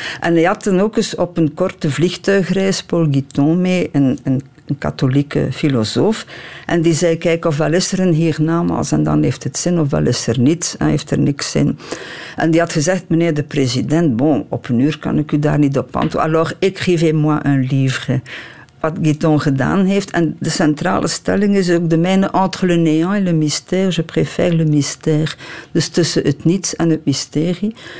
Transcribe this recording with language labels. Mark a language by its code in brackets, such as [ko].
[nl] En hij had dan ook eens op een korte vliegtuigreis Paul Guiton mee, een katholieke filosoof. En die zei, kijk, ofwel is er een hiernamaals en dan heeft het zin, ofwel is er niets en heeft er niks zin. En die had gezegd, meneer de president, bon, op een uur kan ik u daar niet op antwoorden. Alors, ik geef [fr] moi un livre. [nl] Wat Guiton gedaan heeft. En de centrale stelling is ook de mijne [fr] entre le néant et le mystère. Je préfère le mystère. [nl] Dus tussen het niets en het mysterie.